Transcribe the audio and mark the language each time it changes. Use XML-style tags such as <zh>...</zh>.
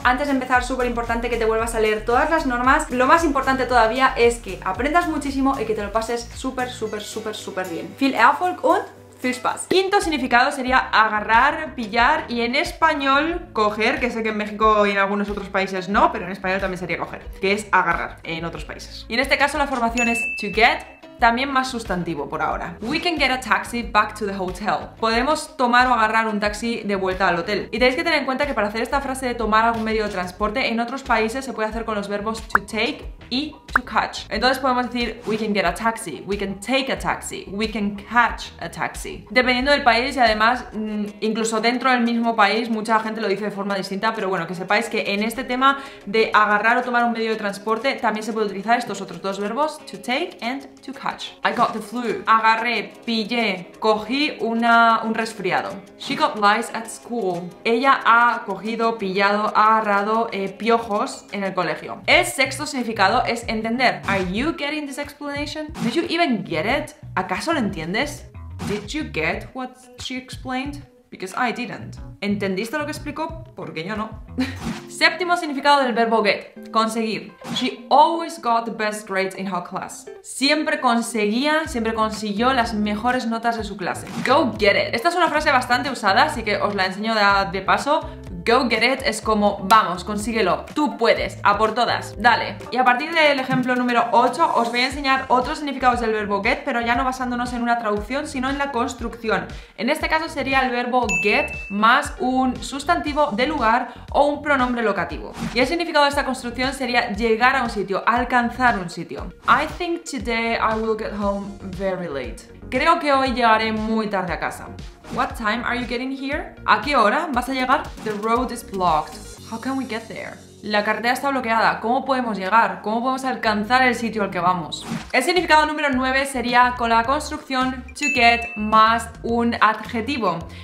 <es>Antes de empezar, súper importante que te vuelvas a leer todas las normas. Lo más importante todavía es que aprendas muchísimo y que te lo pases súper bien.</es> <de>Viel Erfolg und Fishpass.</de> <es>Quinto significado sería agarrar, pillar, y en español coger, que sé que en México y en algunos otros países no, pero en español también sería coger, que es agarrar en otros países. Y en este caso la formación es to get, también más sustantivo por ahora.</es> <en>We can get a taxi back to the hotel.</en> <es>Podemos tomar o agarrar un taxi de vuelta al hotel. Y tenéis que tener en cuenta que para hacer esta frase de tomar algún medio de transporte, en otros países se puede hacer con los verbos to take y to catch. Entonces podemos decir</es> <en>we can get a taxi, we can take a taxi, we can catch a taxi.</en> <es>Dependiendo del país, y además incluso dentro del mismo país, mucha gente lo dice de forma distinta, pero bueno, que sepáis que en este tema de agarrar o tomar un medio de transporte, también se puede utilizar estos otros dos verbos, to take and to catch.</es> <en>I got the flu.</en> <es>Agarré, pillé, cogí un resfriado.</es> <en>She got lice at school.</en> <es>Ella ha cogido, pillado, ha agarrado piojos en el colegio. El sexto significado es entender.</es> <en>Are you getting this explanation? Did you even get it?</en> <es>¿Acaso lo entiendes?</es> <en>Did you get what she explained? Because I didn't.</en> <es>¿Entendiste lo que explicó? Porque yo no. Séptimo significado del verbo get, conseguir.</es> <en>She always got the best grades in her class.</en> <es>Siempre consiguió las mejores notas de su clase.</es> <en>Go get it.</en> <es>Esta es una frase bastante usada, así que os la enseño de paso.</es> <en>Go get it</en> <es>es como, vamos, consíguelo, tú puedes, a por todas, dale. Y a partir del ejemplo número 8, os voy a enseñar otros significados del verbo get, pero ya no basándonos en una traducción, sino en la construcción. En este caso sería el verbo get más un sustantivo de lugar o un pronombre locativo. Y el significado de esta construcción sería llegar a un sitio, alcanzar un sitio.</es> <en>I think today I will get home very late.</en> <es>Creo que hoy llegaré muy tarde a casa.</es> <en>What time are you getting here?</en> <es>¿A qué hora vas a llegar?</es> <en>The road is blocked. How can we get there?</en> <es>La carretera está bloqueada. ¿Cómo podemos llegar? ¿Cómo podemos alcanzar el sitio al que vamos? El significado número 9 sería con la construcción to get más un adjetivo.</es>